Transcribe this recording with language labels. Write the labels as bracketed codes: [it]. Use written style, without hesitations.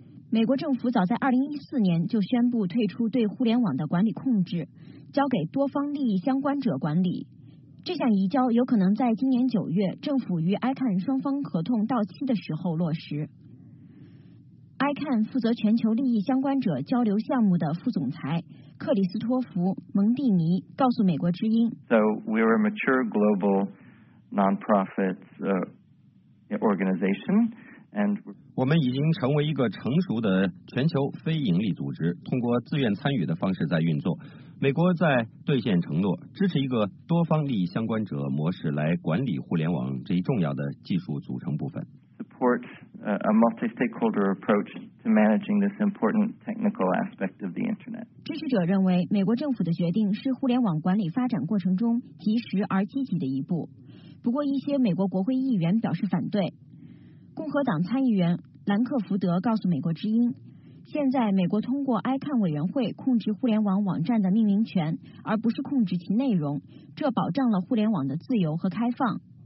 [zh] 美国政府早在2014年就宣布退出对互联网的管理控制，交给多方利益相关者管理。这项移交有可能在今年9月政府与 ICANN 双方合同到期的时候落实。 ICANN 负责全球利益相关者交流项目的副总裁克里斯托弗·蒙蒂尼告诉美国之音， [en] So we're a mature global non-profit organization and [zh] 我们已经成为一个成熟的全球非盈利组织，通过自愿参与的方式在运作。美国在兑现承诺，支持一个多方利益相关者模式来管理互联网这一重要的技术组成部分。 [en] Support a multi-stakeholder approach to managing this important technical aspect of the internet. [zh] 支持者认为，美国政府的决定是互联网管理发展过程中及时而积极的一步。不过，一些美国国会议员表示反对。共和党参议员兰克福德告诉美国之音，现在美国通过 ICANN 委员会控制互联网网站的命名权，而不是控制其内容，这保障了互联网的自由和开放。